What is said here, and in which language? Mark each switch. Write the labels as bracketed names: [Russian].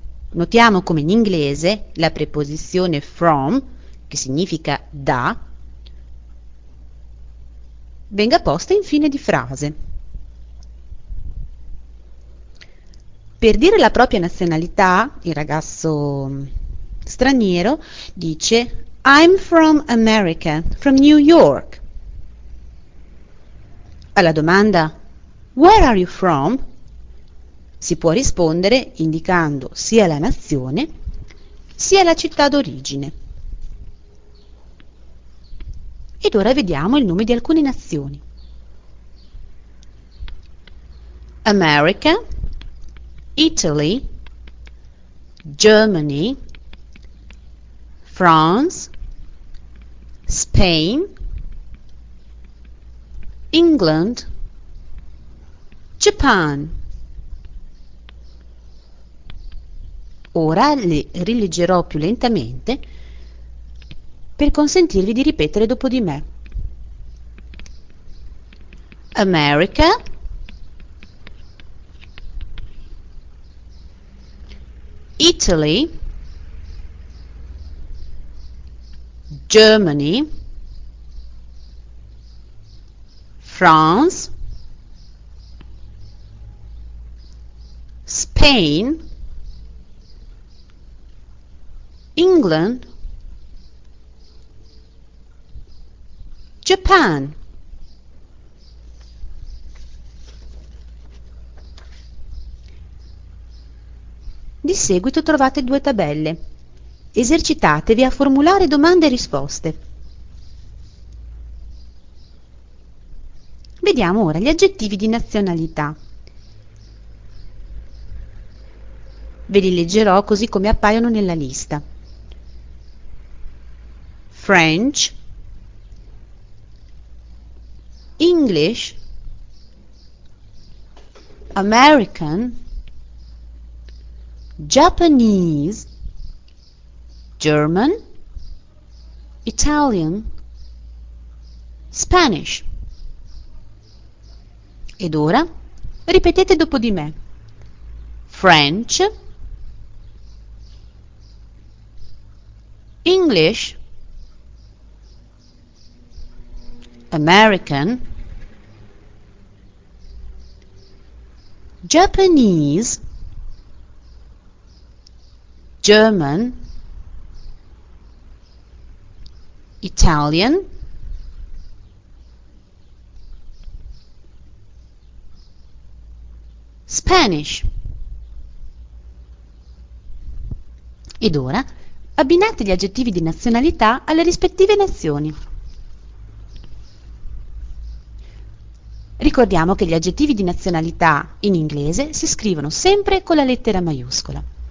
[Italian] Notiamo come in inglese la preposizione from, che significa da, venga posta in fine di frase. Per dire la propria nazionalità, il ragazzo straniero dice [English] I'm from America, from New York. [Italian] Alla domanda [English] Where are you from? [Italian] Si può rispondere indicando sia la nazione sia la città d'origine. Ed ora vediamo il nome di alcune nazioni. [English] America, Italy, Germany, France, Spain, England, Japan. [Italian] Ora le rileggerò più lentamente per consentirvi di ripetere dopo di me. [English] America, Italy, Germany, France, Spain, England, Japan. [Italian] Di seguito trovate due tabelle. Esercitatevi a formulare domande e risposte. Vediamo ora gli aggettivi di nazionalità. Ve li leggerò così come appaiono nella lista. [English] French, English, American, Japanese, German, Italian, Spanish. [Italian] Ed ora ripetete dopo di me. [English] French, English, American, Japanese, German, Italian, Spanish. [Italian] Ed ora abbinate gli aggettivi di nazionalità alle rispettive nazioni. Ricordiamo che gli aggettivi di nazionalità in inglese si scrivono sempre con la lettera maiuscola.